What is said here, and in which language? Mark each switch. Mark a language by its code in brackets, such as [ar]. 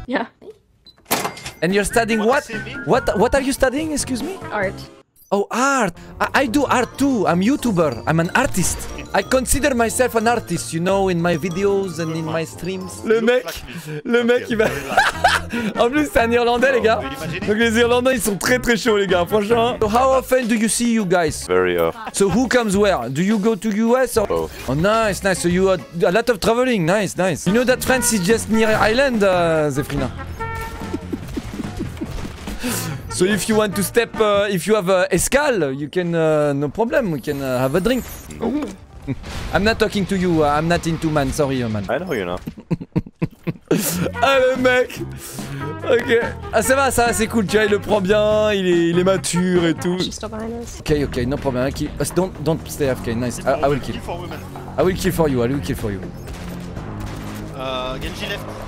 [en] Yeah. And you're studying what? What are you studying? Excuse me. Art. Oh, art. I do art too. I'm a YouTuber. I'm an artist. I consider myself an artist, you know, in my videos and in my streams. [fr] Le mec, il va... En plus, c'est un Irlandais, les gars. Donc les Irlandais, ils sont très très chauds, les gars, franchement. [en] So how often do you see you guys? Very often. So who comes where? Do you go to US or... Both. Oh, nice, nice. So you are a lot of traveling. Nice, nice. You know that France is just near Ireland, Zefrina? So if you want to step, if you have a escale, you can, no problem, we can have a drink. Nope. I'm not talking to you, I'm not into man, sorry man. I know you're not. [fr] Allez mec. Ok. Ah ça va, c'est cool, tu vois, il le prend bien, il est mature et tout. [en] She's still behind us. Ok, no problem, don't stay AFK, nice. I will kill for you. Genji left.